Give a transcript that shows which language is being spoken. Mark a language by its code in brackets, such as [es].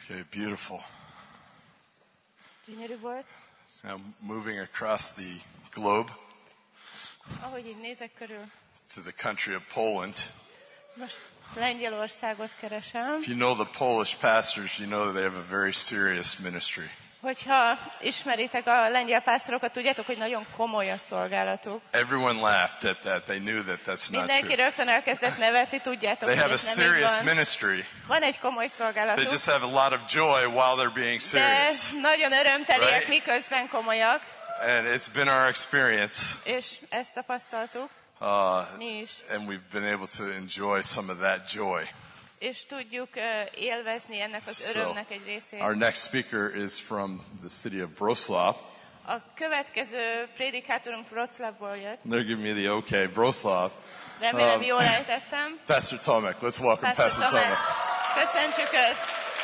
[en] Beautiful. [hu] Gyönyörű volt. [en] I'm moving across the globe. [hu] Ahogy így nézek körül. [en] To the country of Poland. [hu] Most Lengyelországot keresem. [en] If you know the Polish pastors, you know that they have a very serious ministry. [hu] Hogyha ismeritek a lengyel pásztorokat, tudjátok, hogy nagyon komoly a szolgálatuk. [en] Everyone laughed at that. They knew that that's not [hu] Mindenki [en] true. [hu] Rögtön elkezdett nevetni, tudjátok, [en] they have [hu] hogy [en] a serious [hu] van. [en] Ministry. [hu] Van egy komoly szolgálatuk. [en] They just have a lot of joy while they're being serious. [hu] De nagyon örömteliek, [en] right? [hu] Miközben komolyak. [en] And it's been our experience. [hu] És ezt tapasztaltuk. Mi is. [en] And we've been able to enjoy some of that joy. [hu] És tudjuk élvezni ennek az örömnek egy részét. [en] Our next speaker is from the city of Wrocław. [hu] A következő prédikátorunk Wrocławból jött. [en] They're giving me the okay, Wrocław. [hu] Remélem, jól ejtettem. [en] Pastor Tomek, let's welcome Pastor Tomek. [hu] Köszöntjük Őt.